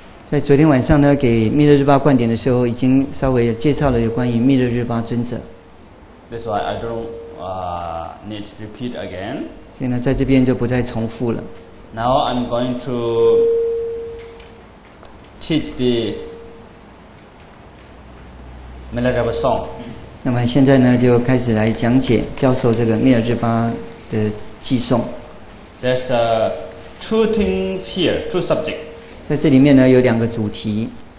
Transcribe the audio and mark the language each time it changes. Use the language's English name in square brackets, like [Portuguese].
[Chinese] 在昨天晚上呢，给密勒日巴灌点的时候，已经稍微介绍了有关于密勒日巴尊者。 [English] That's why I don't need to repeat again. [Chinese] 所以呢，在这边就不再重复了。 [English] Now I'm going to teach the Milarepa song. [Chinese] 那么现在呢，就开始来讲解教授这个密勒日巴的寄送。 [English] There's two things here, two subjects. [Chinese] 在这里面呢，有两个主题。